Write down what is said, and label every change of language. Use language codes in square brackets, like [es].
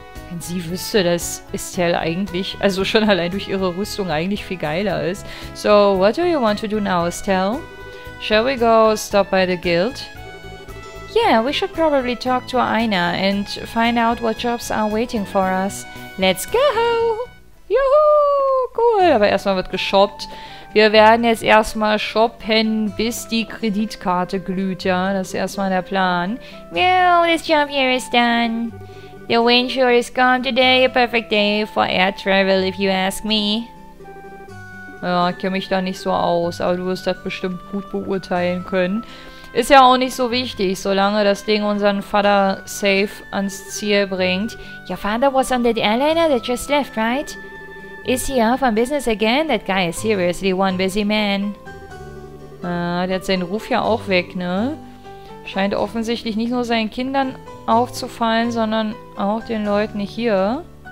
[de] Wenn sie wüsste, dass Estelle eigentlich, also schon allein durch ihre Rüstung, eigentlich viel geiler ist. [en] So, what do you want to do now, Estelle? Shall we go stop by the guild? Yeah, we should probably talk to Aina and find out what jobs are waiting for us. Let's go! [de] Juhu! Cool, aber erstmal wird geshoppt. Wir werden jetzt erstmal shoppen, bis die Kreditkarte glüht, ja? Das ist erstmal der Plan. [en] Well, this job here is done. The wind sure is calm today, a perfect day for air travel, if you ask me. [de] Ja, kenne mich da nicht so aus, aber du wirst das bestimmt gut beurteilen können. Ist ja auch nicht so wichtig, solange das Ding unseren Vater safe ans Ziel bringt. [en] Your father was on that airliner that just left, right? Is he off on business again? That guy is seriously one busy man. [de] Der hat seinen Ruf ja auch weg, ne? Scheint offensichtlich nicht nur seinen Kindern aufzufallen, sondern auch den Leuten hier.